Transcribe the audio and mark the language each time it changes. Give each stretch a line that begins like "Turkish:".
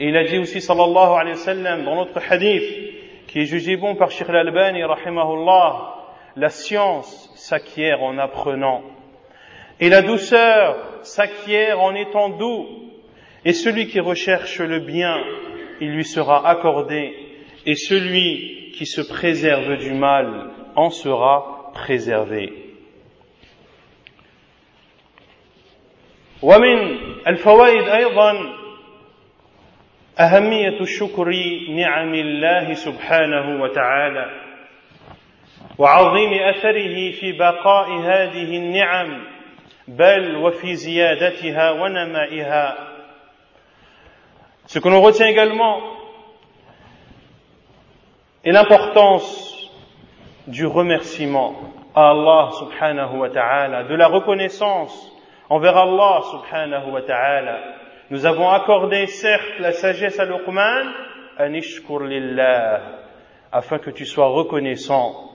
French: Et il a dit aussi, sallallahu alayhi wa sallam, dans notre hadith, qui est jugé bon par Cheikh l'Albani, rahimahullah, la science s'acquiert en apprenant, et la douceur s'acquiert en étant doux, et celui qui recherche le bien, il lui sera accordé, et celui qui se préserve du mal en sera préservé.
Arabic: وَمِنْ الْفَوَائِدِ أَيْضًا أهمية الشكر نعم الله سبحانه وتعالى وعظيم أثره في بقاء هذه النعم بل وفي زيادتها ونمائها.
French: Ce que l'on retient également est l'importance du remerciement à Allah
Arabic: سبحانه وتعالى,
French: de la reconnaissance envers Allah سبحانه وتعالى. Nous avons accordé, certes, la sagesse à Luqman,
Arabic: an ishkur lillah,
French: afin que tu sois reconnaissant.